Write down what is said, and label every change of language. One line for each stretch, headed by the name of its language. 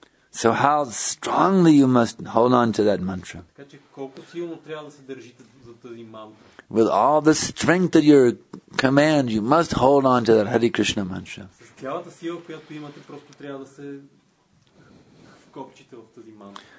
English: So how strongly you must hold on to that mantra.
Bulgarian: Така че колко силно трябва да се държите за тази мантра.
English: With all the strength at your command, you must hold on to that Hare Krishna mantra.
Bulgarian: С цялата сила, която имате, просто трябва да се вкопчите в тази мантра.